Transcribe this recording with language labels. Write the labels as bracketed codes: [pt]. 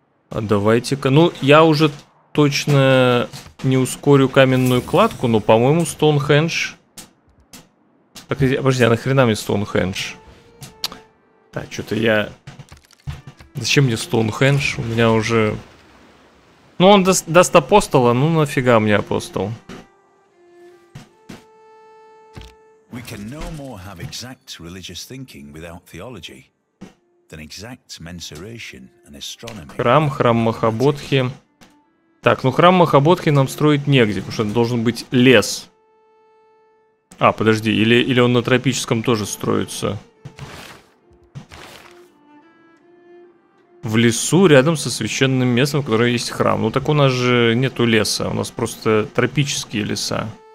[ru] А давайте-ка, ну, я уже... Точно не ускорю каменную кладку, но, по-моему, Стоунхендж... Так, подожди, а нахрена мне Стоунхендж? Так, что-то я... Зачем мне Стоунхендж? У меня уже... Ну, он даст апостола, ну нафига мне апостол? [en] We can no more have exact religious thinking without theology than exact mensuration and astronomy. [ru] Храм, храм Махабодхи. Так, ну храм Махабодхи нам строить негде, потому что это должен быть лес. А, подожди, или он на тропическом тоже строится? В лесу рядом со священным местом, в котором есть храм. Ну так у нас же нету леса, у нас просто тропические леса.